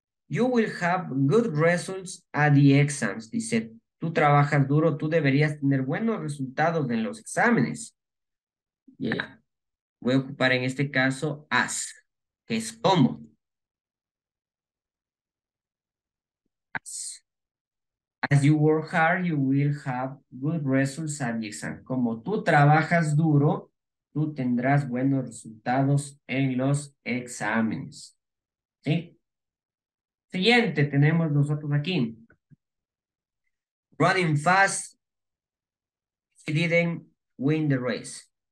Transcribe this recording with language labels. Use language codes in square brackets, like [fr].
[en] You will have good results at the exams. [es] Dice, tú trabajas duro, tú deberías tener buenos resultados en los exámenes. Yeah. Voy a ocupar en este caso as, que es como. [en] As you work hard, you will have good results at the exam. [es] Como tú trabajas duro, tú tendrás buenos resultados en los exámenes. ¿Sí? Siguiente, tenemos nosotros aquí. [en] Running fast, she didn't win the race.